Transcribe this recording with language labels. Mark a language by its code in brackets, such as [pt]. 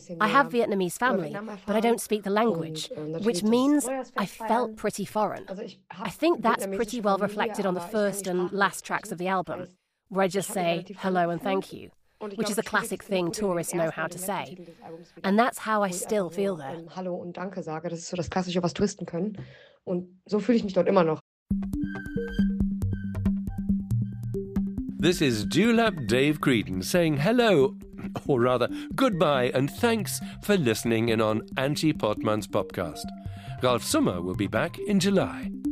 [en] I have Vietnamese family, but I don't speak the language, which means I felt pretty foreign. I think that's pretty well reflected on the first and last tracks of the album, where I just say hello and thank you, which is a classic thing tourists know how to say. And that's how I still feel there. [de] Hallo und danke sage, das ist so das Klassische, was Touristen können. Und so fühle ich mich dort immer noch. [en] This is Dewlap Dave Creedon saying hello, or rather goodbye, and thanks for listening in on Antje Portmann's podcast. Ralf Sommer will be back in July.